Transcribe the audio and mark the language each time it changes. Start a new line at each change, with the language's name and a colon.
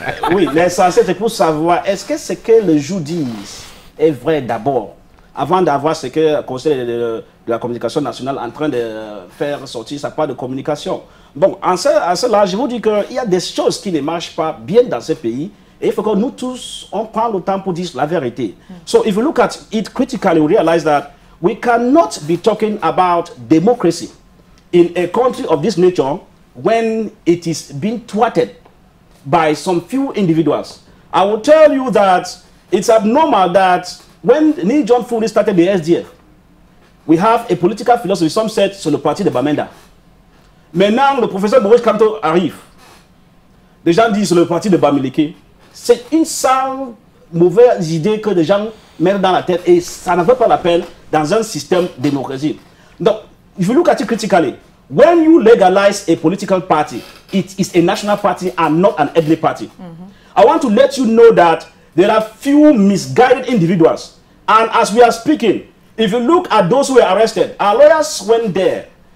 French: Oui, l'essentiel, c'est pour savoir est-ce que ce que le juge dit est vrai d'abord, avant d'avoir ce que le Conseil de la communication nationale en train de faire sortir sa part de communication. Bon, à cela, je vous dis qu'il y a des choses qui ne marchent pas bien dans ce pays. Et il faut que nous tous, on prenne le temps pour dire la vérité.
English: So, if you look at it critically, you realize that we cannot be talking about democracy in a country of this nature when it is being thwarted by some few individuals. I will tell you that it's abnormal that when Ni John Fouli started the SDF, we have a political philosophy, some said,
French: sur le parti de Bamenda. Maintenant, le professeur Maurice Kamto arrive. Les gens disent c'est le parti de Bamileke. C'est une sale mauvaise idée que les gens mettent dans la tête et ça n'en vaut pas la peine dans un système démocratique.
English: Donc, if you look at it critically, when you legalize a political party, it is a national party and not an ethnic party. I want to let you know that there are few misguided individuals. And as we are speaking, if you look at those who were arrested, our lawyers went there.